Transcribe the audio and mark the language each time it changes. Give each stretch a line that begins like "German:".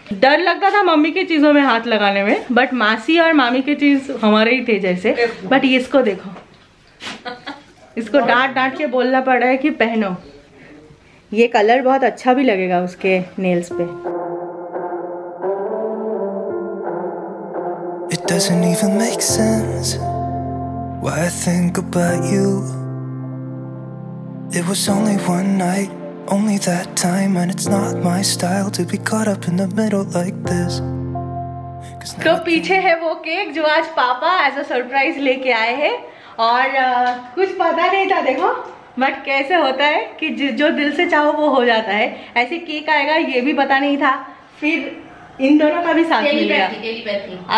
Hindi: डर लगता था मम्मी के चीजों में हाथ लगाने में, बट मासी और मामी के चीज हमारे ही थे जैसे। बट इसको देखो इसको डांट डांट के बोलना पड़ रहा है कि पहनो, ये कलर बहुत अच्छा भी लगेगा उसके नेल्स पे।
English: It doesn't even make sense why I think about you. It was only one night, only that time, and it's not my style to be caught up in the middle like this.
Hindi: तो पीछे है वो cake जो आज पापा as a surprise लेके आए हैं, और कुछ पता नहीं था देखो, बट कैसे होता है कि जो दिल से चाहो वो हो जाता है, ऐसे केक आएगा ये भी पता नहीं था, फिर इन दोनों का भी साथ मिल गया।